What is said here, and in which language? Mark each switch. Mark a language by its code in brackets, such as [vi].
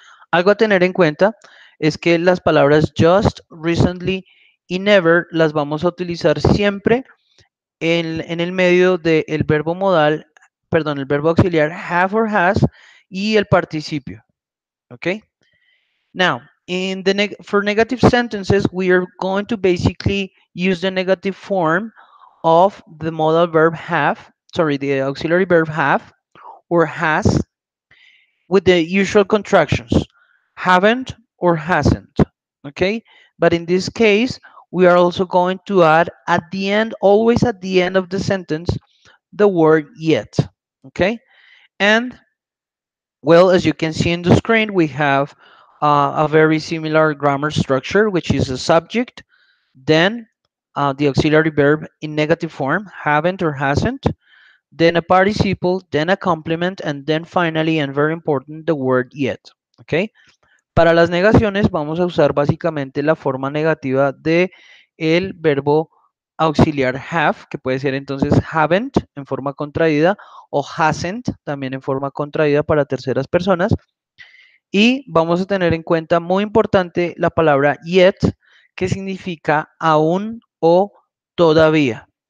[es] Algo a tener en cuenta es que las palabras just, recently y never las vamos a utilizar siempre en el medio del verbo modal, perdón, el verbo auxiliar [en] have or has [es] y el participio. [en] Okay? Now, for negative sentences, we are going to basically use the negative form of the modal verb have, sorry, the auxiliary verb have or has with the usual contractions, haven't or hasn't, okay? But in this case, we are also going to add at the end, always at the end of the sentence, the word yet, okay? And, well, as you can see in the screen, we have a very similar grammar structure, which is a subject, then the auxiliary verb in negative form, haven't or hasn't, then a participle, then a complement, and then finally, and very important, the word yet. Okay? [es] Para las negaciones vamos a usar básicamente la forma negativa del verbo auxiliar have, que puede ser entonces haven't en forma contraída o hasn't también en forma contraída para terceras personas. Y vamos a tener en cuenta muy importante la palabra yet, que significa aún o todavía.